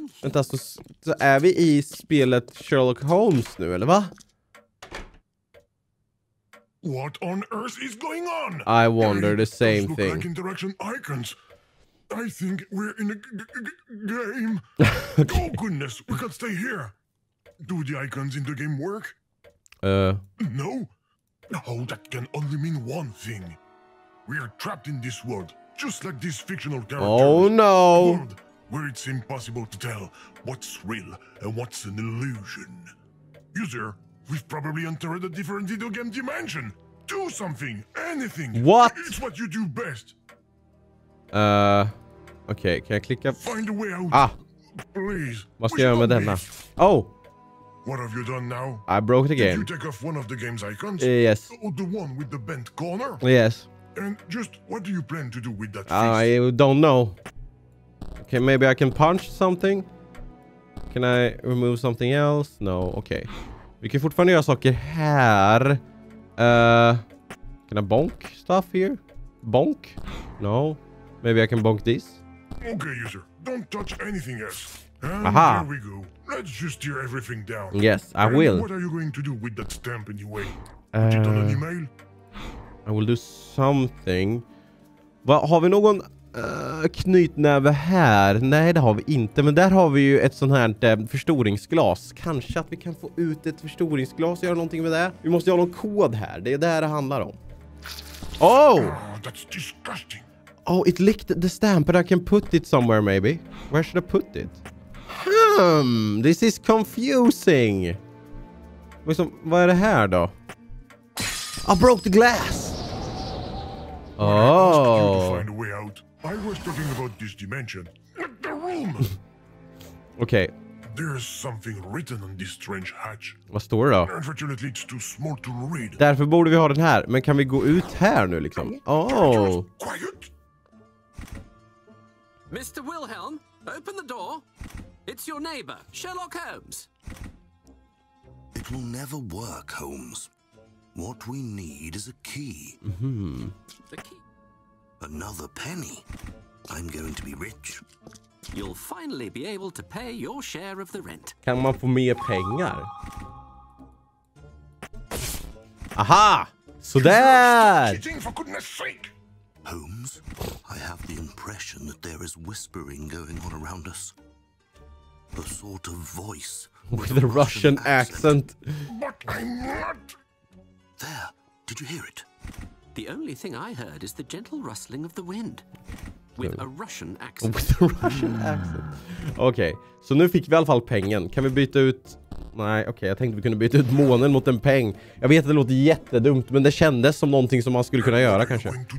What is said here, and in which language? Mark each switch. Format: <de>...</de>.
<sv>Vänta, så är vi i spelet Sherlock Holmes nu, eller va?</sv> <en>What on earth is going on? I wonder the same thing. Like interaction icons. I think we're in a game. Okay. Oh goodness, we can stay here. Do the icons in the game work? No. No, that can only mean one thing. We are trapped in this world. Just like this fictional character. Oh no. World, where it's impossible to tell what's real and what's an illusion. User, we've probably entered a different video game dimension. Do something, anything. What? It's what you do best.</en> <sv>Okej, okay, kan jag klicka?</sv> <en>Find a way out. Ah. Please.</en> <sv>Vad ska jag göra med denna?</sv> <en>Oh. What have you done now? I broke the game. Did you take off one of the game's icons? Yes. Or the one with the bent corner? Yes. And just what do you plan to do with that fist? I don't know. Okay, maybe I can punch something. Can I remove something else? No, okay.</en> <sv>Vi kan fortfarande göra saker här.</sv> <en>Can I bonk stuff here? Bonk? No. Maybe I can bonk this. Okay, user. Don't touch anything else. And aha. Here we go. Let's just tear everything down. Yes, I and will. What are you going to do with that stamp anyway? Put it on an email? I will do something.</en> <sv>Va, har vi någon knytnäve här? Nej, det har vi inte. Men där har vi ju ett sånt här förstoringsglas. Kanske att vi kan få ut ett förstoringsglas och göra någonting med det. Vi måste ha någon kod här. Det är det här det handlar om.</sv> <en>Oh! That's disgusting. Oh, it licked the stamp, but I can put it somewhere, maybe. Where should I put it? Hmm, this is confusing.</en> <sv>Liksom, vad är det här då? I broke the glass. Oh.</sv> <en>I asked you to find a way out. I was talking about this dimension. The room. Okay. There's something written on this strange hatch.</en> <sv>Vad står det då?</sv> <en>Unfortunately, it's too small to read.</en> <sv>Därför borde vi ha den här. Men kan vi gå ut här nu, liksom?</sv> <en>Oh. Quiet. Mr. Wilhelm, open the door. It's your neighbor, Sherlock Holmes. It will never work, Holmes. What we need is a key. Mm-hmm. The key. Another penny. I'm going to be rich. You'll finally be able to pay your share of the rent.</en> <sv>Kan man få mer pengar?</sv> <en>Aha! So that. Cheating, for goodness sake. Holmes, I have the impression that there is whispering going on around us. A sort of voice with a Russian accent. But I'm not. There, did you hear it? The only thing I heard is the gentle rustling of the wind with a Russian accent.</en> <sv>With a Russian accent. Okay, så nu fick vi i alla fall pengen. Kan vi byta ut? Nej, okej, jag tänkte vi kunde byta ut månen mot en peng. Jag vet att det låter jättedumt, men det kändes som någonting som man skulle kunna göra, kanske.</sv>